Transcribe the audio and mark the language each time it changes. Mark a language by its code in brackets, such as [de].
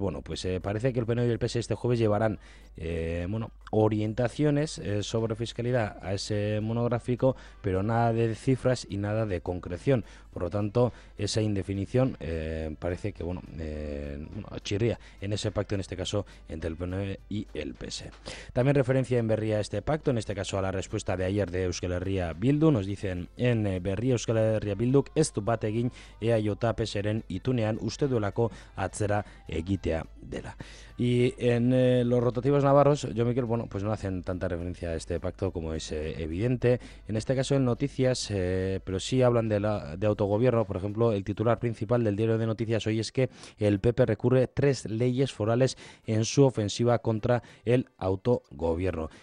[es] Bueno, pues parece que el PNV y el PSOE este jueves llevarán bueno, orientaciones sobre fiscalidad a ese monográfico, pero nada de cifras y nada de concreción. Por lo tanto, esa indefinición parece que bueno, bueno, chirría en ese pacto, en este caso, entre el PNV y el PSOE. También referencia en Berria a este pacto, en este caso a la respuesta de ayer de Euskal Herria Bildu. Nos dicen en Berria [eu] Euskal Herria Bilduk, ez du bat egin EAJ PSOEren itunean uste duelako atzera egitea dela. [es] Y en los rotativos navarros, yo, Miquel, bueno, pues no hacen tanta referencia a este pacto como es evidente. En este caso, en noticias, pero sí hablan de autogobierno. Por ejemplo, el titular principal del diario de noticias hoy es que el PP recurre tres leyes forales en su ofensiva contra el autogobierno.